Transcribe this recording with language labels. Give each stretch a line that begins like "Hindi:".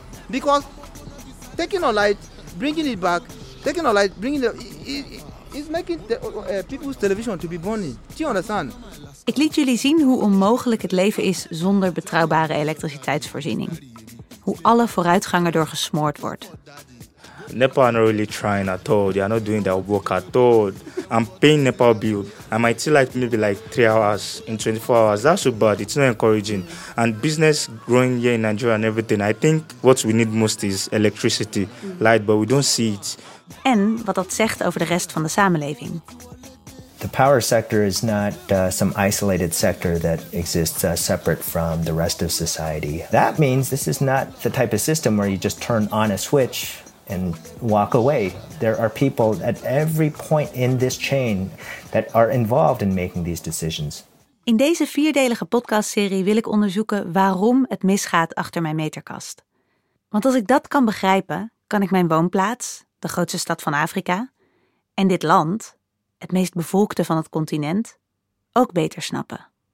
English: Because taking a light, bringing it back, taking a light, bringing it's making people's television to be burning. Do you understand?
Dutch: Ik liet jullie zien hoe onmogelijk het leven is zonder betrouwbare elektriciteitsvoorziening. Hoe alle vooruitgang erdoor gesmoord wordt.
English: Nepal are not really trying at all. They are not doing their work at all. I'm paying Nepal bill. I might see like maybe like 3 hours in 24 hours. That's so bad. It's not encouraging. And business growing here in Nigeria and everything. I think what we need most is electricity, light, but we don't see it.
Dutch: En wat dat zegt over de rest van de samenleving.
English: The power sector is not some isolated sector that exists separate from the rest of society. That means this is not the type of system where you just turn on a switch and walk away. There are people at every point in this chain that are involved in making these decisions.
Dutch: In deze vierdelige podcastserie wil ik onderzoeken waarom het misgaat achter mijn meterkast. Want als ik dat kan begrijpen, kan ik mijn woonplaats, de grootste stad van Afrika, en dit land, het meest bevolkte van het continent, ook beter snappen.